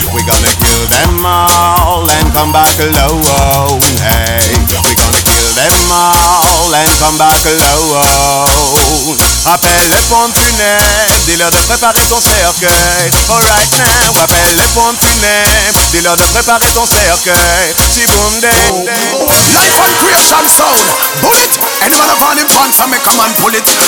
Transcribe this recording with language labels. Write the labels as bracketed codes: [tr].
[en] We gonna kill them all and come back alone, hey. We gonna kill them all and come back alone. [fr] Appelle les pompes funèbres, dis-leur de préparer ton cercueil. [en] Alright now, [fr] appelle les pompes funèbres, dis-leur de préparer ton cercueil. [en] Si boom day, day. Life and creation sound. Bullet, any man upon him pants and me come and pull it.